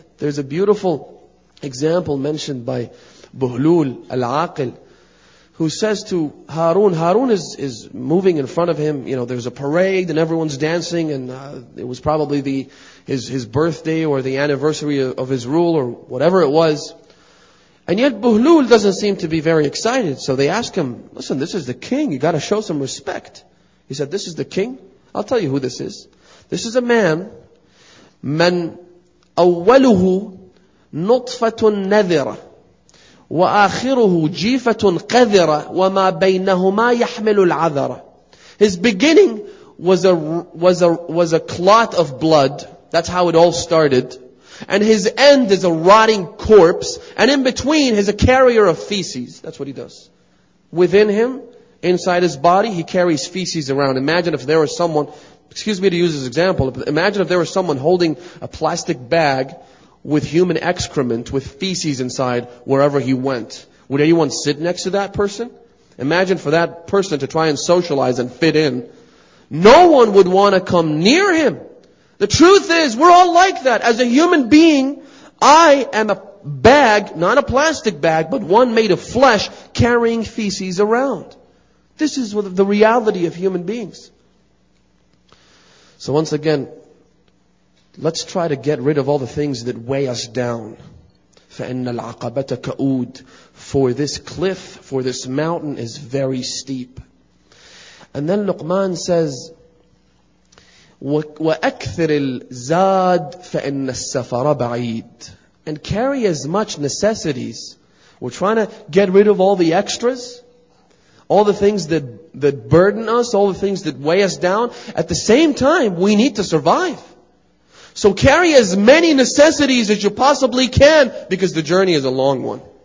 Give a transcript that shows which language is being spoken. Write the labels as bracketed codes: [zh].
[en] There's a beautiful example mentioned by Buhlul Al-Aqil, who says to Harun, Harun is moving in front of him, you know, there's a parade and everyone's dancing, and it was probably his birthday or the anniversary of his rule or whatever it was. And yet Buhlul doesn't seem to be very excited. So they ask him, listen, this is the king, you gotta show some respect. He said, this is the king? I'll tell you who this is. This is a man, [ar] من أوله نطفة نذرة وآخره جيفة قذرة وما بينهما يحمل العذرة. [en] His beginning was a clot of blood. That's how it all started. And his end is a rotting corpse. And in between is a carrier of feces. That's what he does. Within him, inside his body, he carries feces around. Imagine if there was someone, excuse me to use this example, but imagine if there was someone holding a plastic bag with human excrement, with feces inside, wherever he went. Would anyone sit next to that person? Imagine for that person to try and socialize and fit in. No one would want to come near him. The truth is, we're all like that. As a human being, I am a bag, not a plastic bag, but one made of flesh, carrying feces around. This is the reality of human beings. So once again, let's try to get rid of all the things that weigh us down. [ar] فَإِنَّ الْعَقَبَةَ كَأُودٍ. [en] For this cliff, for this mountain is very steep. And then Luqman says, [ar] وَأَكْثِرِ الْزَادِ فَإِنَّ السَّفَرَ بَعِيدٍ. [en] And carry as much necessities. We're trying to get rid of all the extras, all the things that burden us, all the things that weigh us down. At the same time, we need to survive. So carry as many necessities as you possibly can, because the journey is a long one.